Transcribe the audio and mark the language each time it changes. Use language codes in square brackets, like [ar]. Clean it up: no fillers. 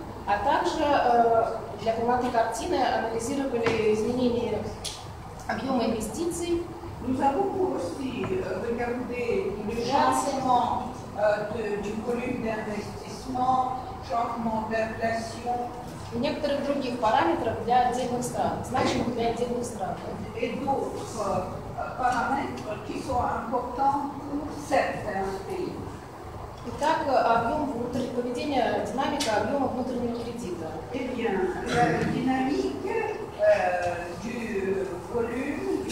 [ru] А также для полноты картины анализировали изменения объема инвестиций. [fr] Nous avons aussi regardé le changement du volume d'investissement, changement d'inflation. [ru] И некоторых других параметров для отдельных стран, значимых для отдельных стран. [fr] Et d'autres paramètres qui sont importants pour certains pays. [ru] Итак, объем внутреннего поведения, динамика объема внутреннего кредита. [fr] Eh bien, la dynamique du volume.